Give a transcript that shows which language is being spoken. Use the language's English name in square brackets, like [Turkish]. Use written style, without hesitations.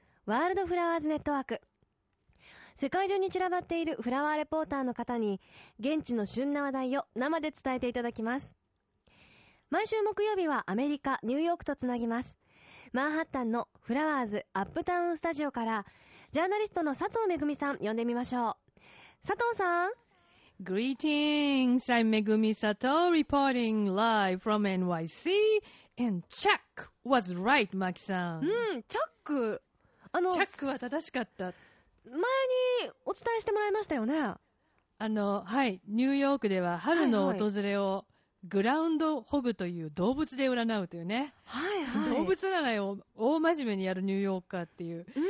[Japanese] ワールドフラワーズネットワーク。世界中に散らばっているフラワーレポーターの方に現地の旬な話題を生で伝えていただきます。毎週木曜日はアメリカ・ニューヨークとつなぎます。マンハッタンのフラワーズアップタウンスタジオからジャーナリストの佐藤めぐみさん呼んでみましょう。佐藤さん。 [English] Greetings, I'm Megumi Sato reporting live from NYC. And Chuck was right, Maki さん。 [Japanese] うん、チャック、あのチャックは正しかった。前にお伝えしてもらいましたよね。あの、はい、ニューヨークでは春の訪れをグラウンドホグという動物で占うというね、はいはい、動物占いを大真面目にやるニューヨーカーっていう、